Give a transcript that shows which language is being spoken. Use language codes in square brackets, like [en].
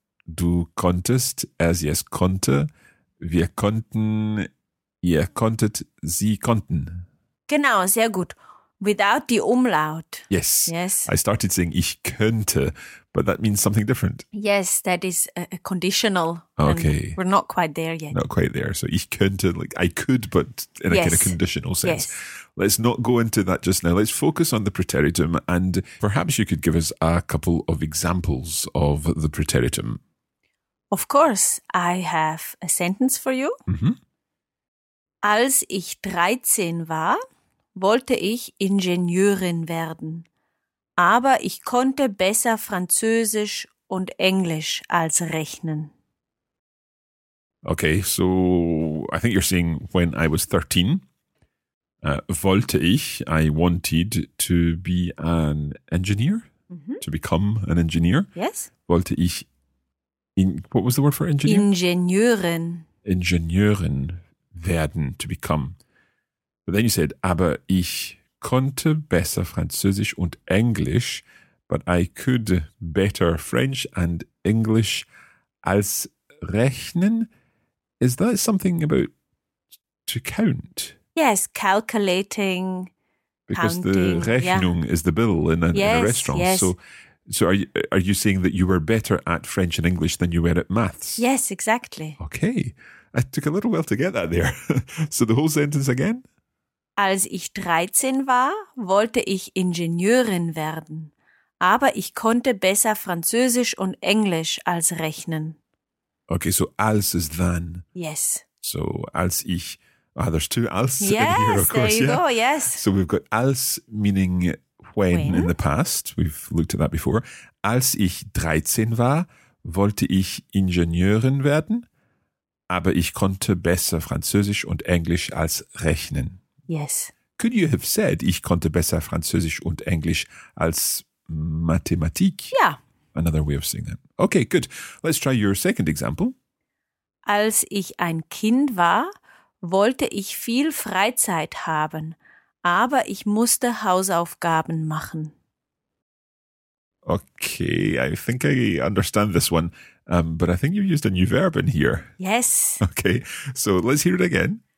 [de] Du konntest, er, sie, es konnte, wir konnten, ihr konntet, sie konnten. Genau, sehr gut. [en] Without the Umlaut. Yes. Yes. I started saying [de] ich könnte, [en] but that means something different. Yes, that is a conditional. Okay. We're not quite there yet. Not quite there. So [de] ich könnte, [en] like I could, but in a kind of conditional sense. Yes. Let's not go into that just now. Let's focus on the preteritum. And perhaps you could give us a couple of examples of the preteritum. Of course, I have a sentence for you. Mm-hmm. [de] Als ich 13 war, wollte ich Ingenieurin werden. Aber ich konnte besser Französisch und Englisch als rechnen. [en] Okay, so I think you're saying when I was 13, [de] wollte ich, [en] I wanted to be an engineer, to become an engineer. Yes. [de] Wollte ich [en] what was the word for engineer? [de] Ingenieurin. Ingenieurin werden, [en] to become. But then you said, [de] aber ich konnte besser Französisch und Englisch, [en] but I could better French and English [de] als rechnen. [en] Is that something about to count? Yes, calculating, because counting, the Rechnung is the bill in a restaurant. Yes. So are you saying that you were better at French and English than you were at maths? Yes, exactly. Okay. I took a little while to get that there. So the whole sentence again? [de] Als ich 13 war, wollte ich Ingenieurin werden. Aber ich konnte besser Französisch und Englisch als rechnen. [en] Okay, so als is then. Yes. So [de] als ich, [en] Ah, there's two als in here, of course. There you go, yes. So we've got als meaning when in the past. We've looked at that before. [de] Als ich 13 war, wollte ich Ingenieurin werden, aber ich konnte besser Französisch und Englisch als rechnen. [en] Yes. Could you have said, [de] ich konnte besser Französisch und Englisch als Mathematik? [en] Yeah. Another way of saying that. Okay, good. Let's try your second example. [de] Als ich ein Kind war, wollte ich viel Freizeit haben, aber ich musste Hausaufgaben machen. [en] Okay, I think I understand this one, but I think you used a new verb in here. Yes. Okay, so let's hear it again.